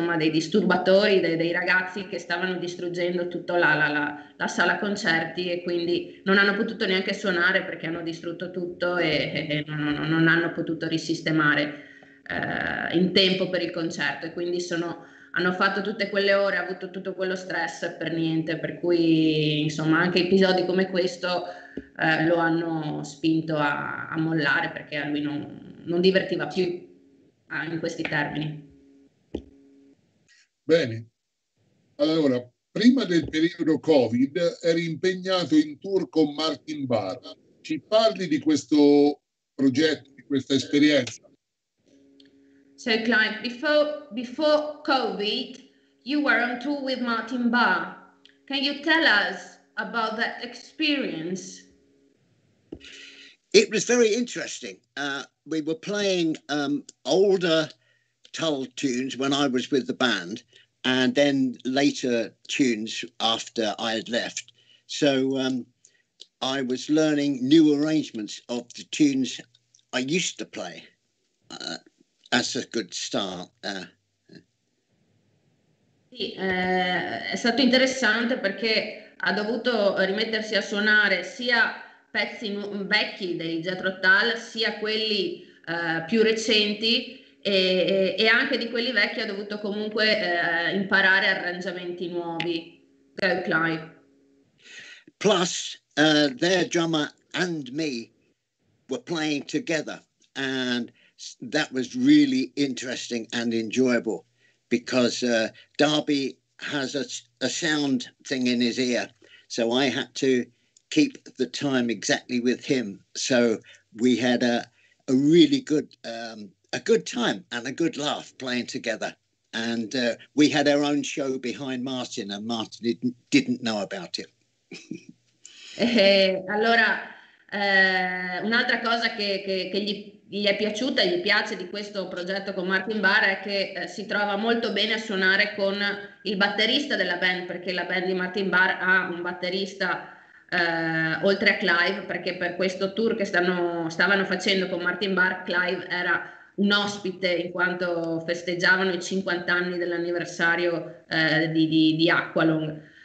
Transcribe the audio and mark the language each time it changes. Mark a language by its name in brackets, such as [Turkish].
[Italian] disturbatori, dei ragazzi che stavano distruggendo tutta la sala concerti, e quindi non hanno potuto neanche suonare perché hanno distrutto tutto e non hanno potuto risistemare in tempo per il concerto, e quindi hanno fatto tutte quelle ore, ha avuto tutto quello stress per niente, per cui insomma anche episodi come questo lo hanno spinto a mollare, perché a lui non divertiva più in questi termini. Bene, allora, prima del periodo Covid eri impegnato in tour con Martin Barr. Ci parli di questo progetto, di questa esperienza? [English] So, Clive, before COVID, you were on tour with Martin Barr. Can you tell us about that experience? It was very interesting. We were playing older Tull tunes when I was with the band, and then later tunes after I had left. So I was learning new arrangements of the tunes I used to play. That's a good start. [Italian] Sì, è stato interessante perché ha dovuto rimettersi a suonare sia pezzi vecchi dei Jethro Tull, sia quelli più recenti, e anche di quelli vecchi ha dovuto comunque imparare arrangiamenti nuovi. [English] Go, Clive. Plus, their drummer and me were playing together, and that was really interesting and enjoyable, because Darby has a sound thing in his ear, so I had to keep the time exactly with him. So we had a really good a good time and a good laugh playing together. And we had our own show behind Martin, and Martin didn't know about it. [Italian] Allora, un'altra cosa che gli è piaciuta, gli piace di questo progetto con Martin Barr, è che si trova molto bene a suonare con il batterista della band, perché la band di Martin Barr ha un batterista oltre a Clive, perché per questo tour che stavano facendo con Martin Barr, Clive era un ospite in quanto festeggiavano i 50 anni dell'anniversario di Aqualung.